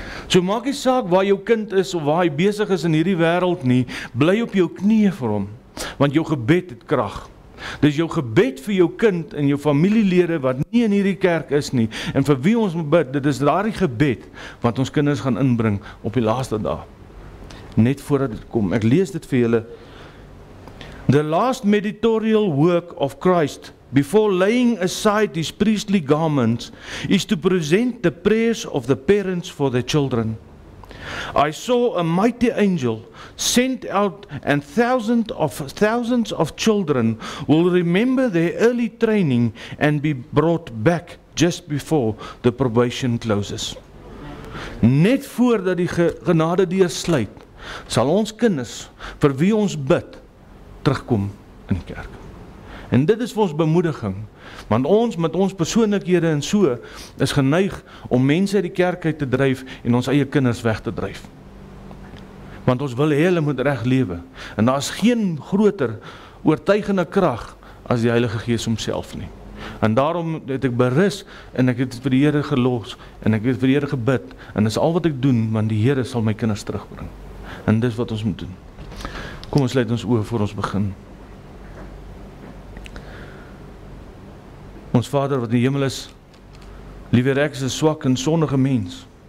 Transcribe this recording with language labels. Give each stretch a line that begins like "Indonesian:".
Afrikaans: So maak die saak waar jou kind is of waar hy besig is in hierdie wêreld nie, bly op jou knieë vir hom, want jou gebed het krag. Dis jou gebed vir jou kind en jou familielede wat nie in hierdie kerk is nie, en vir wie ons bid, dit is daardie gebed wat ons kinders gaan inbring op die laaste dag. Net voordat dit kom, ek lees dit vir julle.
English: The last meditorial work of Christ before laying aside his priestly garments is to present the prayers of the parents for their children. I saw a mighty angel sent out and thousands of children will remember their early training and be brought back just before the probation closes.
Afrikaans: Net voordat die genade deur sluit, sal ons kinders vir wie ons bid terugkom in die kerk. En dit is vir ons bemoediging, want ons met ons persoonlikhede en so is geneig om mense uit die kerk uit te dryf en ons eie kinders weg te dryf. Want ons wil hê hulle moet reg lewe. En daar is geen groter oortuigende krag as die Heilige Gees homself nie. En daarom het ek berus en ek het vir die Here gelos en ek het vir die Here gebid en dis al wat ek doen, want die Here sal my kinders terugbring. En dis wat ons moet doen. Kom, ons sluit ons oë voor ons begin. Ons Vader wat in die hemel is, liewe Here, ek is 'n swak en sondige mens.